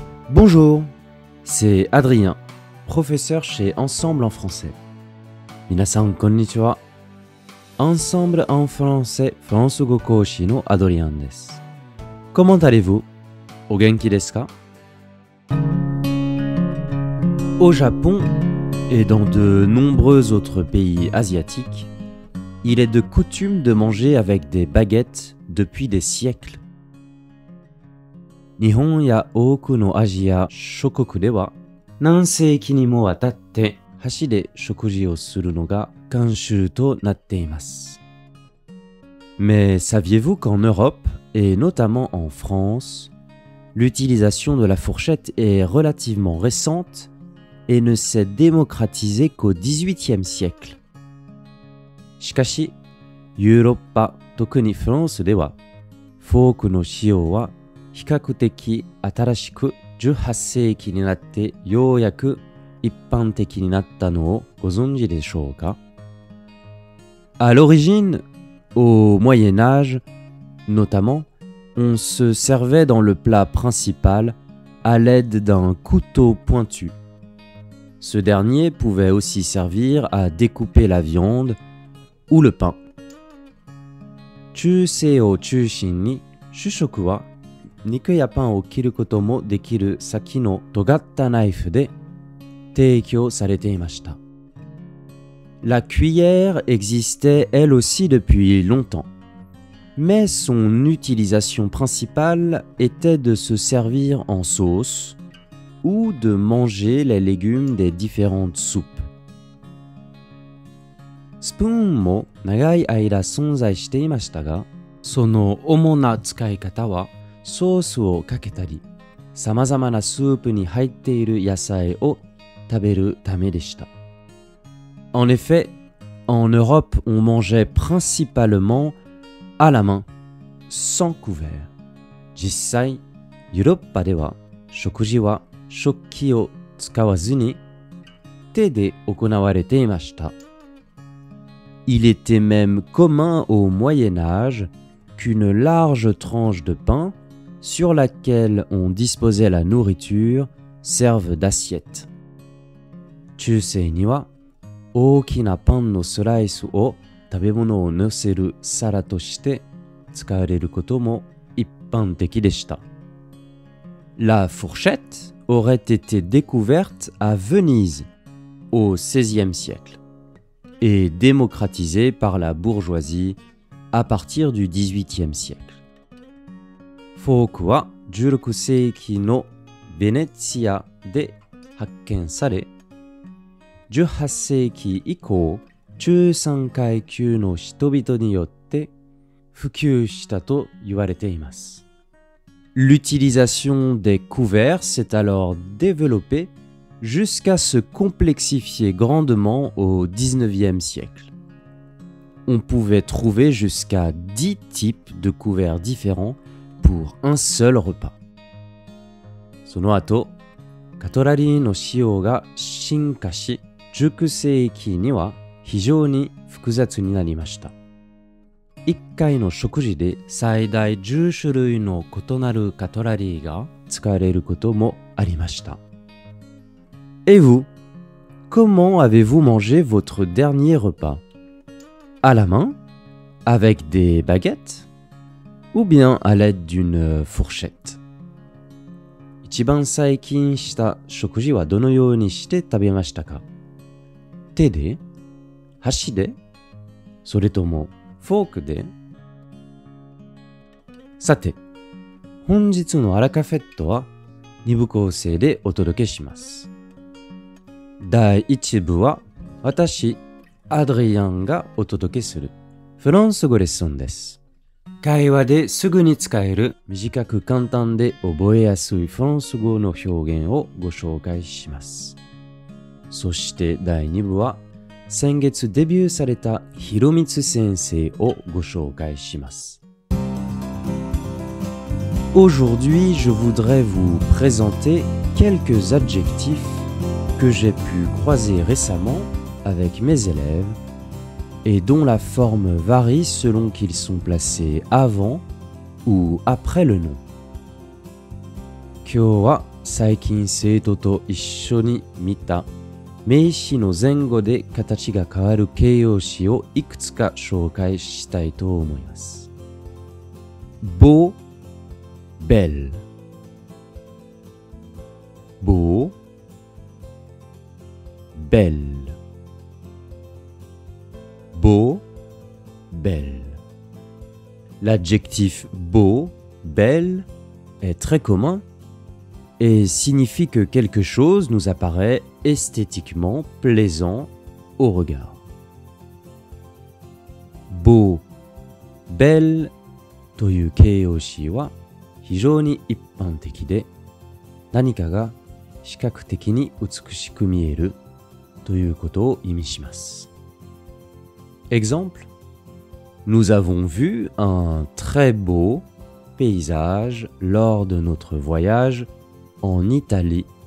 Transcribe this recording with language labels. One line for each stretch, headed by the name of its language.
French: Bonjour, c'est Adrien, professeur chez Ensemble en français.
Japanese: 皆さんこんにちは。 Ensemble en français フランス語講師のアドリアンです。
French: Comment allez-vous?
Japanese: お元気ですか?
French: Au Japon et dans de nombreux autres pays asiatiques, il est de coutume de manger avec des baguettes depuis des siècles.
Japanese: 日本や多くのアジア諸国では、何世紀にもわたって箸で食事をするのが慣習となっています。
French: Mais saviez-vous qu'en Europe et notamment en France,L'utilisation de la fourchette est relativement récente et ne s'est démocratisée qu'au XVIIIe siècle.
Japanese: しかし、ヨーロッパ、特にフランスでは、フォークの使用は比較的新しく18世紀になってようやく一般的になったのをご存知でしょうか?
French: À l'origine, au Moyen Âge, notamment,On se servait dans le plat principal à l'aide d'un couteau pointu. Ce dernier pouvait aussi servir à découper la viande ou le pain.
Japanese: 中世を中心に主食は肉やパンを切ることもできる先の尖ったナイフで提供されていました。
French: La cuillère existait elle aussi depuis longtemps. Mais son utilisation principale était de se servir en sauce ou de manger les légumes des différentes soupes.
Japanese: スプーンも長い間存在していましたが、その主な使い方はソースをかけたり、さまざまなスープに入っている野菜を食べるためでした。
French: En effet, en Europe, on mangeait principalementà la main, sans couvert.
Japanese: 実際、ヨーロッパでは食事は食器を使わずに手で行われていました。
French: Il était même commun au Moyen Âge qu'une large tranche de pain sur laquelle on disposait la nourriture serve d'assiette.
Japanese: 中世には大きなパンのスライスを食べ物を乗せる皿として使われることも一般的でした。
French: La fourchette aurait été découverte à Venise au XVIe siècle et démocratisée par la bourgeoisie à partir du XVIIIe siècle.
Japanese: フォークは16世紀のベネチアで発見され、18世紀以降、中産階級の人々によって普及したと言われています。
French: L'utilisation des couverts s'est alors développée jusqu'à se complexifier grandement au XIXe siècle. On pouvait trouver jusqu'à 10 types de couverts différents pour un seul repas.
Japanese: その後、カトラリーの使用が進化し、熟成期には非常に複雑になりました。一回の食事で最大10種類の異なるカトラリーが使われることもありました。
French: Et vous? Comment avez-vous mangé votre dernier repas? À la main? Avec des baguettes? Ou bien à l'aide d'une fourchette?
Japanese: 一番最近した食事はどのようにして食べましたか?手で?箸で? それともフォークで? さて、本日のアラカフェットは二部構成でお届けします。第一部は私、アドリアンがお届けするフランス語レッスンです。会話ですぐに使える短く簡単で覚えやすいフランス語の表現をご紹介します。そして第二部は先月デビューされたひろみつ先生をご紹介します。
French: Aujourd'hui, je voudrais vous présenter quelques adjectifs que j'ai pu croiser récemment avec mes élèves et dont la forme varie selon qu'ils sont placés avant ou après le nom.
Japanese: 今日は最近生徒と一緒に見た名詞の前後で形が変わる形容詞をいくつか紹介したいと思います。
French: beau, belle, beau, belle, beau, belle. L'adjectif beau, belle est très commun et signifie que quelque chose nous apparaît esthétiquement plaisant au regard. beau, belle.
Japanese: という形容詞は非常に一般的で、何かが視覚的に美しく見えるということを意味します。
French: Exemple: Nous avons vu un très beau paysage lors de notre voyage en Italie.